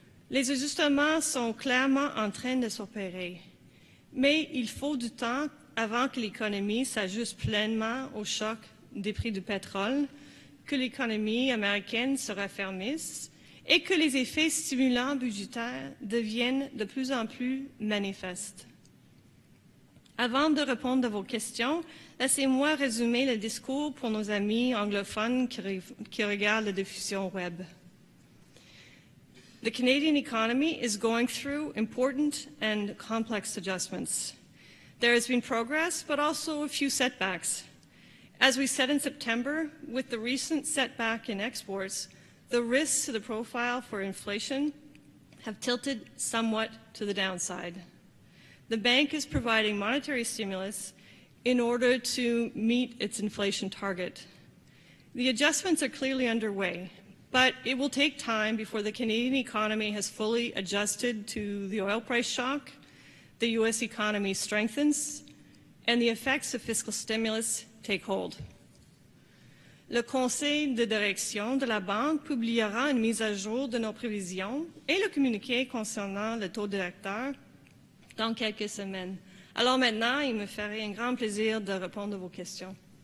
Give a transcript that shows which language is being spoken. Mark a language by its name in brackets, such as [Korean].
[French] Les ajustements sont clairement en train de s'opérer, mais il faut du temps avant que l'économie s'ajuste pleinement au choc des prix du pétrole, que l'économie américaine se raffermisse et que les effets stimulants budgétaires deviennent de plus en plus manifestes. Avant de répondre à vos questions, laissez-moi résumer le discours pour nos amis anglophones qui regardent la diffusion web. [English] The Canadian economy is going through important and complex adjustments. There has been progress, but also a few setbacks. As we said in September, with the recent setback in exports, the risks to the profile for inflation have tilted somewhat to the downside. The bank is providing monetary stimulus in order to meet its inflation target. The adjustments are clearly underway, but it will take time before the Canadian economy has fully adjusted to the oil price shock, the U.S. economy strengthens, and the effects of fiscal stimulus take hold. [French] Le conseil de direction de la banque publiera une mise à jour de nos prévisions et le communiqué concernant le taux directeur dans quelques semaines. Alors maintenant, il me ferait un grand plaisir de répondre à vos questions.